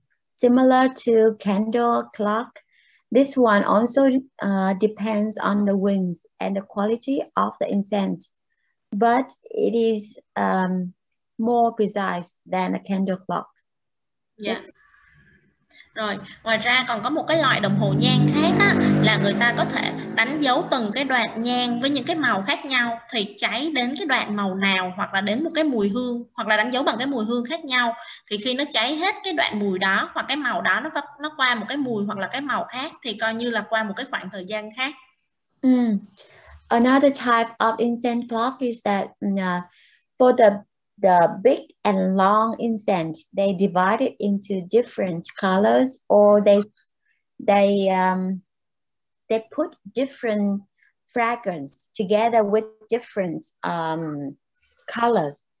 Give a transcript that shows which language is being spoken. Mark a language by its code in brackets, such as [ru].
[en] Similar to candle clock, this one also depends on the winds and the quality of the incense, but it is more precise than a candle clock. Yes. [vi] Rồi, ngoài ra còn có một cái loại đồng hồ nhang khác á, là người ta có thể đánh dấu từng cái đoạn nhang với những cái màu khác nhau thì cháy đến cái đoạn màu nào, hoặc là đến một cái mùi hương, hoặc là đánh dấu bằng cái mùi hương khác nhau, thì khi nó cháy hết cái đoạn mùi đó hoặc cái màu đó, nó qua một cái mùi hoặc là cái màu khác thì coi như là qua một cái khoảng thời gian khác. [en] Another type of incense clock is that for the big and long incense, they divide it into different colors, or they put different fragrance together with different colors.